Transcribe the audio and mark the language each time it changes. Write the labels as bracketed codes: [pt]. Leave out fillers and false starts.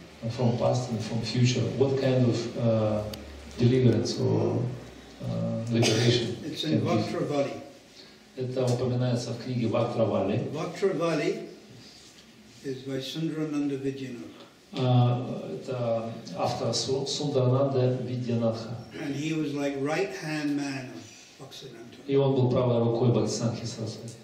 [en] From past and from future, what kind of deliverance or liberation? It's in Vaktravali. [ru] Это упоминается в книге Вактравали. [en] Vaktravali is by Sundarananda Vidyanatha. [ru] Это автор Сундарананда Видьянатха. [en] And he was like right-hand man of Bhaktisiddhanta. [ru] И он был правой рукой Бхактисиддханты Сарасвати.